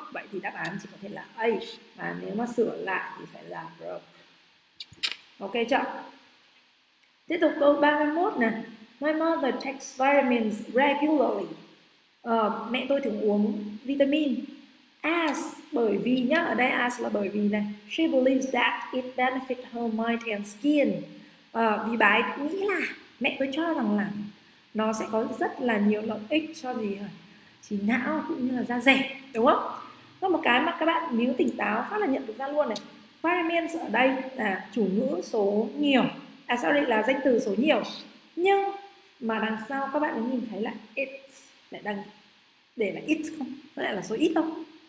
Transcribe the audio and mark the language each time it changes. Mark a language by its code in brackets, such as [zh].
[vi] Vậy thì đáp án chỉ có thể là A. Và nếu mà sửa lại thì phải là broke. Ok chưa? Tiếp tục câu 31 nè. [en] My mother takes vitamins regularly. [vi] Mẹ tôi thường uống vitamin. As, bởi vì nhá, ở đây as là bởi vì này. [en] She believes that it benefits her mind and skin. [vi] Vì bà ấy nghĩ là mẹ tôi cho rằng là nó sẽ có rất là nhiều lợi ích cho gì chỉ não cũng như là da dẻ, đúng không? Có một cái mà các bạn nếu tỉnh táo phát là nhận được ra luôn này. Vitamins ở đây là chủ ngữ số nhiều. À sao đây là danh từ số nhiều. Nhưng mà đằng sau các bạn nhìn thấy là it lại đang để là it không? Nó lại là số ít không?